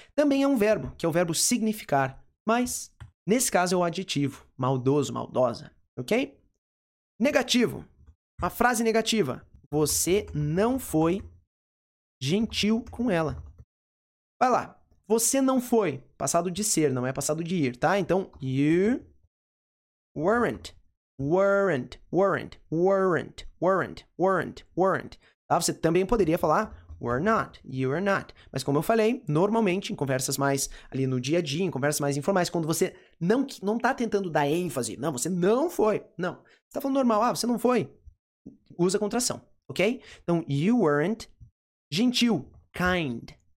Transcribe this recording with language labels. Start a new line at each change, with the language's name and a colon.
Portuguese: Também é um verbo, que é o verbo significar, mas nesse caso é o adjetivo, maldoso, maldosa, ok? Negativo, uma frase negativa. Você não foi gentil com ela. Vai lá, você não foi, passado de ser, não é passado de ir, tá?
English: Então, you weren't, weren't, weren't, weren't, weren't, weren't, weren't.
Portuguese: Tá? Você também poderia falar
English: were not, you are not.
Portuguese: Mas como eu falei, normalmente em conversas mais ali no dia a dia, em conversas mais informais, quando você não tá tentando dar ênfase, não, você não foi, não. Você tá falando normal, você não foi. Usa contração, ok?
English: Então, you weren't gentil, kind.